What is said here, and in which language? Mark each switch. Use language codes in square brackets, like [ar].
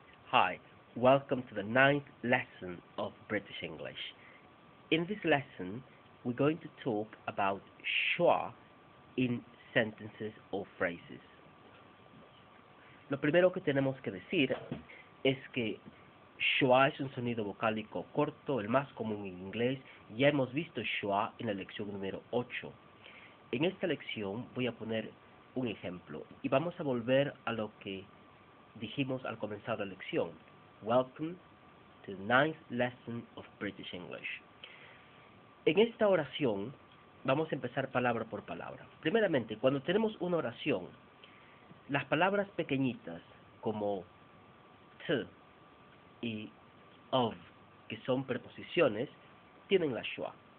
[en] Hi, welcome to the 9th lesson of British English. In this lesson, we're going to talk about schwa in sentences or phrases. [es] Lo primero que tenemos que decir es que schwa es un sonido vocálico corto, el más común en inglés. Ya hemos visto schwa en la lección número 8. En esta lección voy a poner un ejemplo y vamos a volver a lo que dijimos al comenzar la lección. [en] Welcome to the 9th lesson of British English. [es] En esta oración, vamos a empezar palabra por palabra. Primeramente, cuando tenemos una oración, las palabras pequeñitas como t y of, que son preposiciones, tienen la schwa.